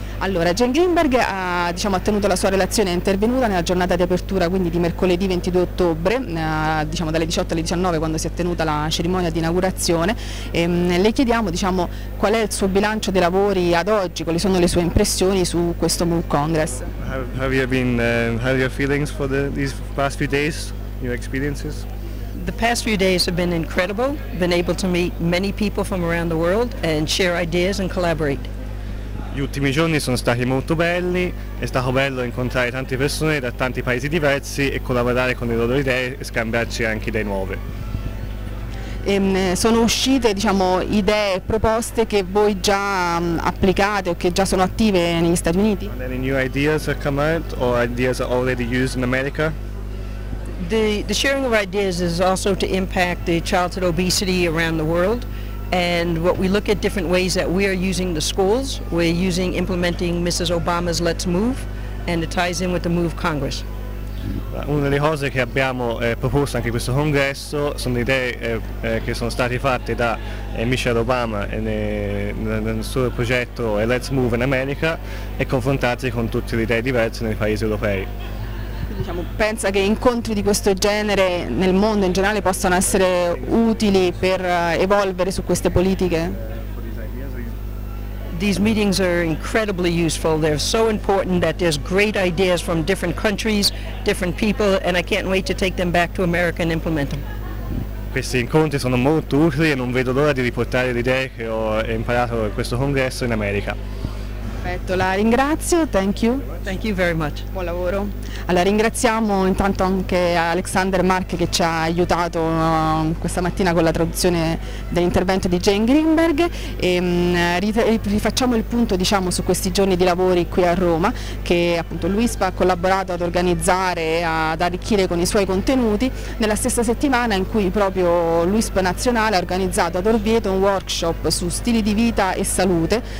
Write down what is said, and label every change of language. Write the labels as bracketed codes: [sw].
[it] Allora, Jane Greenberg ha tenuto la sua relazione, è intervenuta nella giornata di apertura, quindi di mercoledì 22 ottobre, dalle 18 alle 19, quando si è tenuta la cerimonia di inaugurazione. Le chiediamo, qual è il suo bilancio dei lavori ad oggi, quali sono le sue impressioni su questo MOOC Congress. [en] How are your feelings for these past few days, your experiences? The past few days have been incredible. Been able to meet many people from around the world and share ideas and collaborate. [it] Gli ultimi giorni sono stati molto belli, è stato bello incontrare tante persone da tanti paesi diversi e collaborare con le loro idee e scambiarci anche idee nuove. Sono uscite idee e proposte che voi già applicate o che già sono attive negli Stati Uniti? [en] Any new ideas have come out or ideas are already used in America? The sharing of ideas is also to impact the childhood obesity around the world. And what we look at different ways that we are using the schools, we're using implementing Mrs. Obama's Let's Move, and it ties in with the Move Congress. [it] Una delle cose che abbiamo proposto anche questo congresso sono idee che sono state fatte da Michelle Obama nel suo progetto Let's Move in America e confrontate con tutte le idee diverse nei paesi europei. Pensa che incontri di questo genere nel mondo in generale possano essere utili per evolvere su queste politiche? [en] These meetings are incredibly useful. They're so important that there's great ideas from different countries, different people, and I can't wait to take them back to America and implement them. [it] Questi incontri sono molto utili e non vedo l'ora di riportare le idee che ho imparato in questo congresso in America. Perfetto, la ringrazio, [en] thank you. Thank you very much. [it] Buon lavoro. Allora, ringraziamo intanto anche Alexander Mark che ci ha aiutato questa mattina con la traduzione dell'intervento di Jane Greenberg e rifacciamo il punto su questi giorni di lavori qui a Roma, che appunto l'UISP ha collaborato ad organizzare e ad arricchire con i suoi contenuti nella stessa settimana in cui proprio l'UISP Nazionale ha organizzato ad Orvieto un workshop su stili di vita e salute